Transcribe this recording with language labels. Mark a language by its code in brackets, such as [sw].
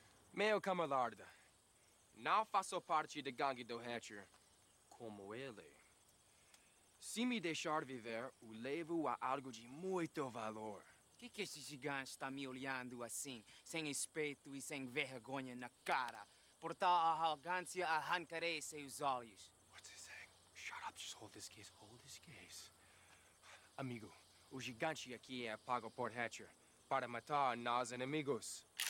[pt] Meu camarada, não faço parte da gangue do Hatcher como ele. Se me deixar viver, o levo a algo de muito valor. Que esse gigante está me olhando assim, sem respeito e sem vergonha na cara? Por tal arrogância, arrancarei seus olhos. [en] What's he saying? Shut up, just hold this case, hold this case. [pt] Amigo, o gigante aqui é pago por Hatcher para matar nós inimigos.